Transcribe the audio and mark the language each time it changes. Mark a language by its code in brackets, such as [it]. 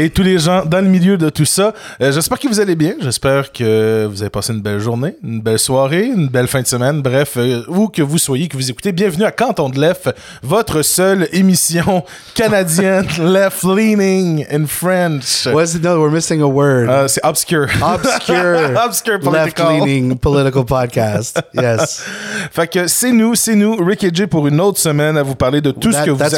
[fr] Et tous les gens dans le milieu de tout ça. J'espère que vous allez bien. J'espère que vous avez passé une belle journée, une belle soirée, une belle fin de semaine. Bref, où que vous soyez, que vous écoutez. Bienvenue à Canton de Lef, votre seule émission canadienne left-leaning in French. [en] What is it? No, we're missing a word. [fr] C'est obscure. Obscure. [en] Obscure political. Left-leaning political podcast. Yes. [fr] Fait que c'est nous, Rick et Jay, pour une autre semaine à vous parler de tout ce que vous appréciez.